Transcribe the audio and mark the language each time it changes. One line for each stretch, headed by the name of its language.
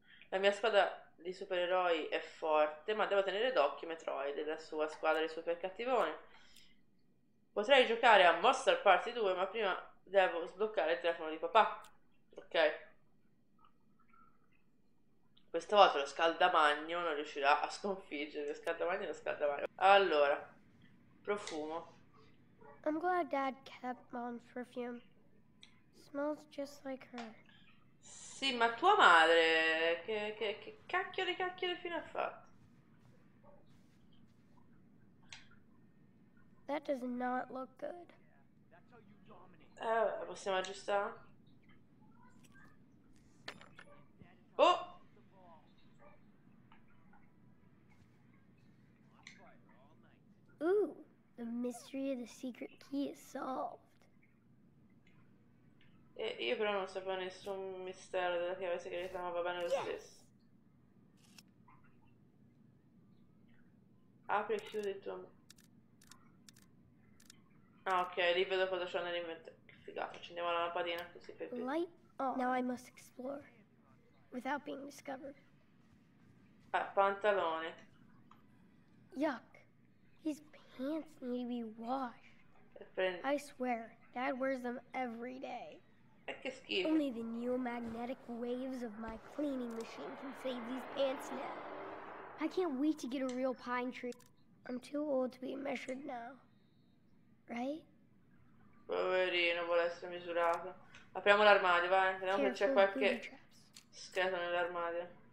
Italian: La mia squadra di supereroi è forte, ma devo tenere d'occhio Metroid e la sua squadra di super cattivoni. Potrei giocare a Monster Party 2, ma prima devo sbloccare il telefono di papà. Ok. Questa volta lo scaldamagno non riuscirà a sconfiggere. Lo scaldamagno è lo scaldamagno. Allora, profumo.
English: I'm glad Dad kept Mom's perfume. Smells just like her.
Italian: Sì, ma tua madre, che cacchio di cacchio di fine ha fatto?
English: That does not look good.
Italian: Possiamo aggiustare? Oh!
English: Ooh, the mystery of the secret key is solved.
Italian: Io però non sapevo nessun mistero della chiave segreta, ma va bene lo stesso. Yes. Apri e chiudi il tuo... Ah, ok, lì vedo cosa c'è nell'inventario. Che figata, accendiamo la lampadina così per
English: più. Light on. Now I must explore. Without being discovered.
Italian: Pantalone.
English: Yuck. His pants need to be washed. I swear, Dad wears them every day.
Italian: Che schifo.
English: Only the neomagnetic waves of my cleaning machine can save these pants now. I can't wait to get a real pine tree. I'm too old to be measured now. Right?
Italian: Poverino, vuole essere misurato. Apriamo l'armadio, vai. Vediamo se c'è qualche scheda nell'armadio.